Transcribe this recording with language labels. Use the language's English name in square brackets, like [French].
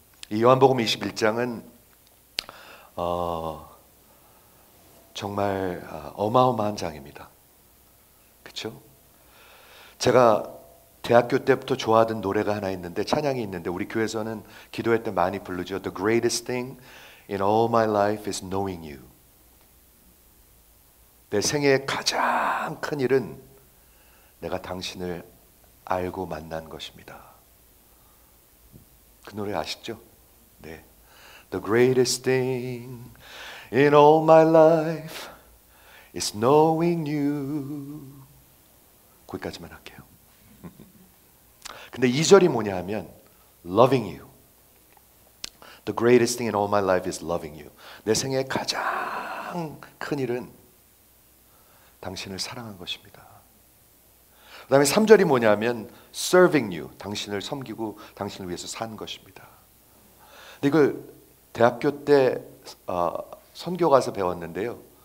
[Korean] 이 요한복음 21장은 정말 어마어마한 장입니다. 그렇죠? 제가 대학교 때부터 좋아하던 노래가 하나 있는데 찬양이 있는데 우리 교회에서는 기도회 때 많이 부르죠. [English] The greatest thing in all my life is knowing you. [Korean] 내 생애의 가장 큰 일은 내가 당신을 알고 만난 것입니다. 그 노래 아시죠? 네. [English] The greatest thing in all my life is knowing you. [Korean] 거기까지만 할게요. 근데 2절이 뭐냐 하면 [English] loving you. The greatest thing in all my life is loving you. [Korean] 내 생애 가장 큰 일은 당신을 사랑한 것입니다. 그 다음에 3절이 뭐냐 하면 [English] serving you. [Korean] 당신을 섬기고 당신을 위해서 산 것입니다. 근데 이걸 대학교 때 선교 가서 배웠는데요.